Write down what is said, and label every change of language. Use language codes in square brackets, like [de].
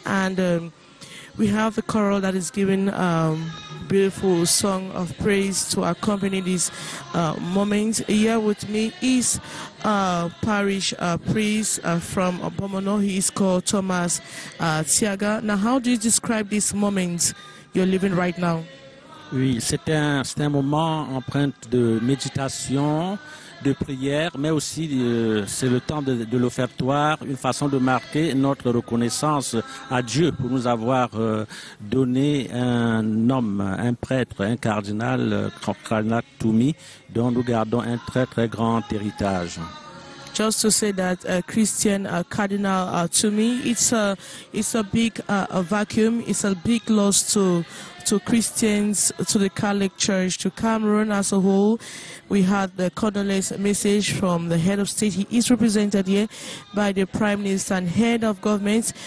[en] And we have a choral that is giving a beautiful song of praise to accompany this moment. Here with me is a parish priest from Bomono. He is called Thomas Tiaga. Now, how do you describe this moment you're living right now? [fr] Oui, c'est un moment empreint de méditation, de prière, mais aussi c'est le temps de l'offertoire, une façon de marquer notre reconnaissance à Dieu pour nous avoir donné un homme, un prêtre, un cardinal, Cardinal Toumi, dont nous gardons un très très grand héritage. [en] Just to say that Cardinal Toumi, it's a big a vacuum, it's a big loss to Christians, to the Catholic Church, to Cameroon as a whole. We had the condolence message from the head of state. He is represented here by the prime minister and head of government.